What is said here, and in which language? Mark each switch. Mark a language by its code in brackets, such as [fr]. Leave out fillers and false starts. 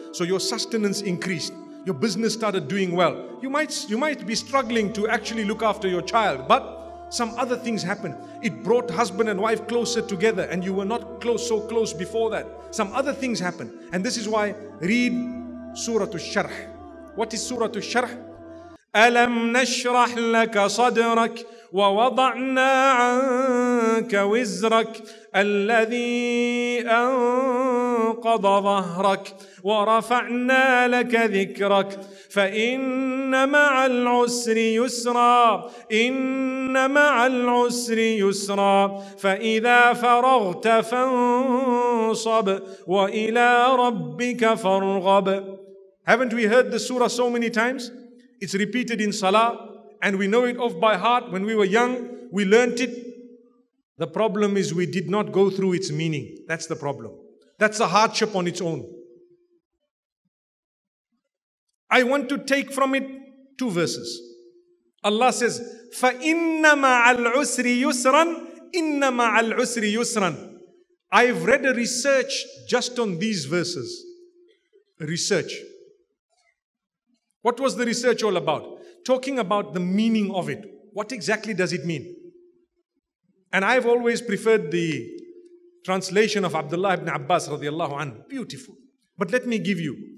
[en] So your sustenance increased. Your business started doing well. You might be struggling to actually look after your child, but some other things happened. It brought husband and wife closer together, and you were not close so close before that. Some other things happened. And this is why, read Surah Al-Sharh. What is Surah Al-Sharh? [ar] أَلَمْ نَشْرَحْ لَكَ صَدْرَكَ وَوَضَعْنَا عَنْكَ وِزْرَكَ الَّذِي أَنْقَضَ ظَهْرَكَ ورفعنا لك ذكرك فإن مع العسر يسرا إن مع العسر يسرا فإذا فرغت فانصب وإلى ربك فارغب. [en] Haven't we heard the surah so many times? It's repeated in salah, and we know it off by heart. When we were young, we learnt it. The problem is we did not go through its meaning. That's the problem. That's a hardship on its own. I want to take from it two verses. Allah says, [ar] فَإِنَّ مَعَ الْعُسْرِ يُسْرًا [en] إِنَّ مَعَ الْعُسْرِ يُسْرًا. I've read a research just on these verses. Research. What was the research all about? Talking about the meaning of it. What exactly does it mean? And I've always preferred the translation of Abdullah ibn Abbas radiallahu anhu. Beautiful. But let me give you.